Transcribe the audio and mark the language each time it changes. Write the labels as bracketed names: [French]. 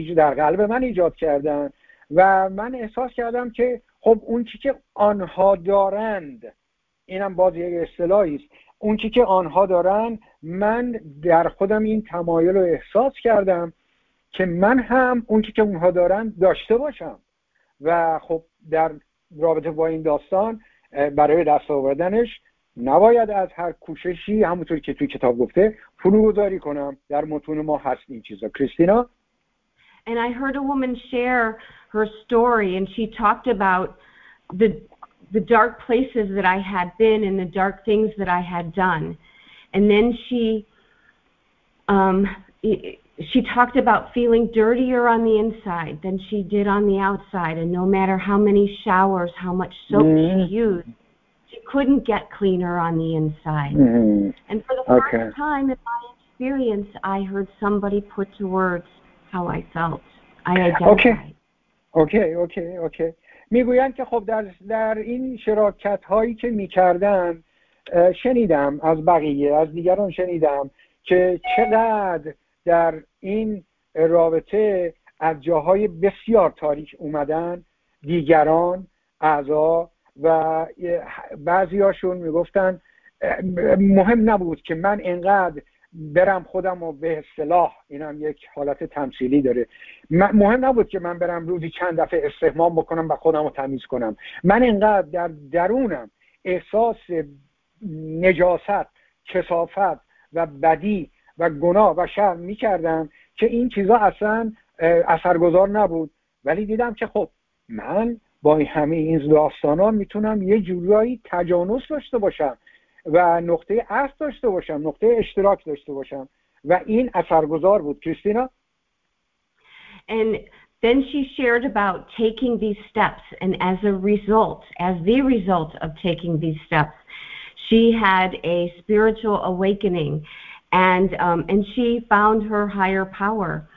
[Persian] قلب من ایجاد کردن و من احساس کردم که خب اون چی که آنها دارند، اینم باز یک اصطلاحی است، اون چی که آنها دارن من در خودم این تمایل رو احساس کردم که من هم اون چی که اونها دارن داشته باشم و خب در رابطه با این داستان برای دست آوردنش نباید از هر کوششی همونطور که توی کتاب گفته فروگذاری کنم. در متون ما هست این چیزا. کریستینا؟ [English] And I heard a woman share her story and she talked about the dark places that I had been and the dark things that I had done. And then she she talked about feeling dirtier on the inside than she did on the outside, and no matter how many showers, how much soap she used, she couldn't get cleaner on the inside. And for the first time in my experience, I heard somebody put to words how I felt. I identified. Okay. [Persian] میگویند که خب در این شراکت هایی که میکردن شنیدم از بقیه، از دیگران شنیدم که چقدر در این رابطه از جاهای بسیار تاریک اومدن دیگران اعضا، و بعضی هاشون میگفتن مهم نبود که من اینقدر برم خودم رو به اصطلاح، اینم یک حالت تمثیلی داره، مهم نبود که من برم روزی چند دفعه استحمام بکنم و خودم رو تمیز کنم، من اینقدر در درونم احساس نجاست، کثافت و بدی و گناه و شرم می کردم که این چیزا اصلا اثرگذار نبود. ولی دیدم که خب من با همه این داستان ها میتونم یه جورایی تجانس داشته باشم و نقطه عطف داشته باشم، نقطه اشتراک داشته باشم، و این اثرگذار بود. کریستینا؟ [English] And then she shared about taking these steps, and as a result, as the result of taking these steps, she had a spiritual awakening, and she found her higher power.